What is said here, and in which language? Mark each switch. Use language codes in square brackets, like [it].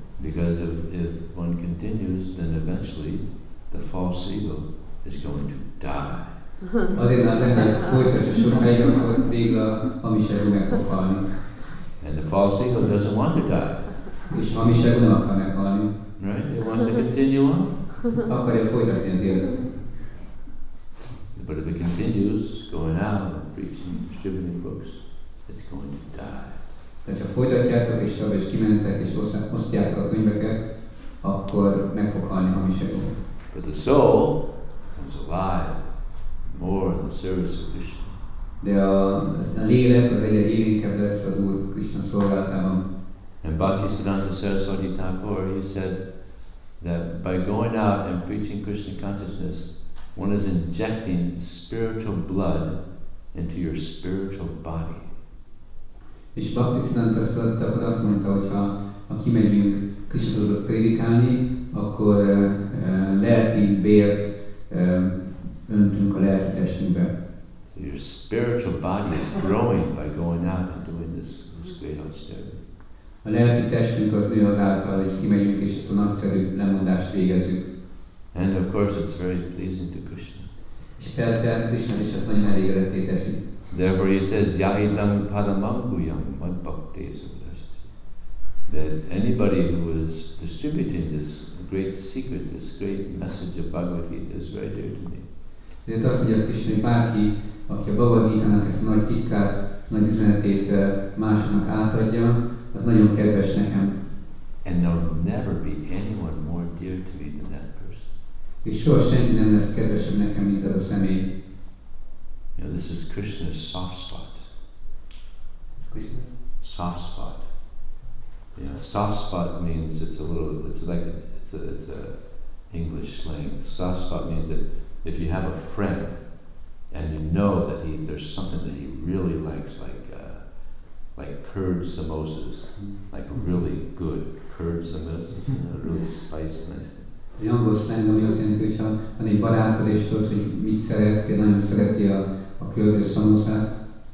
[en] Because if one continues, then eventually the false ego is going to die. [hu] Azért, mert az ember folytatja sokáig, akkor végül a hamis ego meg fog halni. [en] And the false ego doesn't want to die. [hu] És hamis ego nem akar meghalni. [en] Right? It wants to continue on. [hu] Akarja folytatni az életet. [en] But if it continues going out and preaching, distributing books, it's going to die. [hu] Tehát ha folytatjátok és tovább is kimentek és osztjátok a könyveket, akkor meg fog halni a hamis ego. [en] But the soul is alive more in the service of Krishna. [hu] De a lélek az egyre élénkebb lesz az Úr Krishna szolgálatában. [en] And And Bhaktisiddhanta Saraswati Thakur, he said that by going out and preaching Krishna consciousness, one is injecting spiritual blood into your spiritual body. [hu] És Bhaktisiddhanta Saraswati Thakur azt mondta, hogyha ha kimegyünk Krishna tudatot prédikálni, akkor lelki bért öntünk a lelki testünkbe. [en] So your spiritual body is growing by going out and doing this great austerity. [hu] A lelki testünk az nő azáltal, hogy kimegyünk és ezt a nagyszerű lemondást végezzük. [en] And of course it's very pleasing to Krishna. [hu] És persze Krishna is ezt nagyon elégedetté teszi. [en] Therefore he says, [sa] Yahidam Padamanguyam Mad Bhaktesam. [en] That anybody who is distributing this great secret, this great message of Bhagavad Gita is very dear to me. [hu] Ezért azt mondja Krishna, bárki, aki a Bhagavad Gita-nak ezt a nagy titkát, ezt a nagy üzenetét másnak átadja, az nagyon kedves nekem. [en] And there will never be anyone more dear to me than that person. [hu] És soha senki nem lesz kedvesebb nekem, mint ez a személy. [en] You know, this is Krishna's soft spot. [hu] Ez Krishna's? [en] Soft spot. Yeah, soft spot means it's a English slang. Soft spot means that if you have a friend and you know that there's something that he really likes, like curd samosas, like really good curd samosas, you know, really spicy. The English slang, [hu] ami azt jelenti, hogyha van egy barátod és tudod, hogy mit szeret, hogy nagyon szereti a curd samosát.